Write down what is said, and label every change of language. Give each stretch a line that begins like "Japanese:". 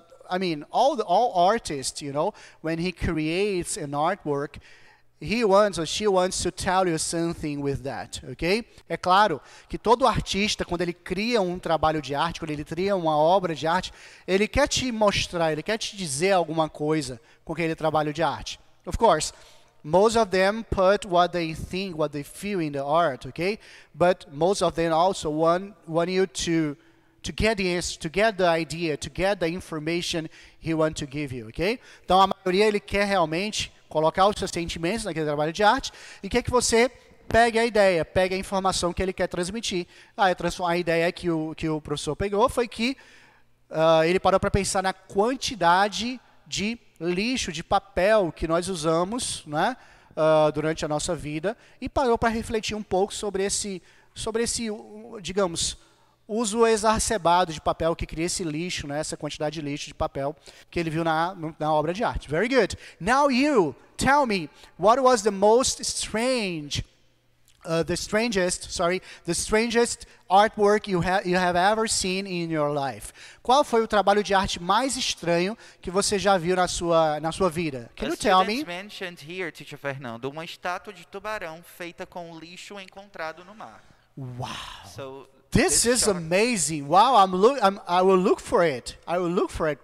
English: All artists, you know, when he creates an artwork, he wants or she wants to tell you something with that, okay?
Portuguese: É claro que todo artista, quando ele cria um trabalho de arte, quando ele cria uma obra de arte, ele quer te mostrar, ele quer te dizer alguma coisa com aquele trabalho de arte.
English: Of course, most of them put what they think, what they feel in the art, okay? But most of them also want you to get the answer, to get the idea, to get the information he wants to give you, okay?
Portuguese: Então, a maioria, ele quer realmente colocar os seus sentimentos naquele trabalho de arte e quer que você pegue a ideia, pegue a informação que ele quer transmitir. Ah, a ideia que o professor pegou foi que ele parou para pensar na quantidade de lixo, de papel que nós usamos, né, durante a nossa vida, e parou para refletir um pouco sobre esse, digamos, uso exacerbado de papel que cria esse lixo, né, essa quantidade de lixo de papel que ele viu na obra de arte.
English: Very good. Now you, tell me, what was the most strange, the strangest artwork you have ever seen in your life?
Portuguese: Qual foi o trabalho de arte mais estranho que você já viu na sua vida?
English: Can you tell me? Mentioned here,
Portuguese: Teacher Fernando, uma estátua de tubarão feita com lixo encontrado no mar.
English: Wow. So, this is amazing. Wow, I will look for it. I will look for it.